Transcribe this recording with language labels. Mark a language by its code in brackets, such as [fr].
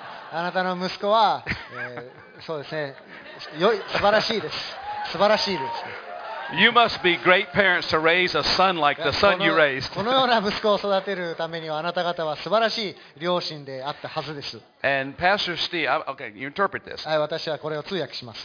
[ja] あなたの息子は、そうですね。素晴らしいです。素晴らしいです。 [en] You must be great parents to raise a son like the son you raised. [ja] このような息子を育てるためにはあなた方は素晴らしい両親であったはずです。 [en] And Pastor Steve, okay, you interpret this. [ja] はい、私はこれを通訳します。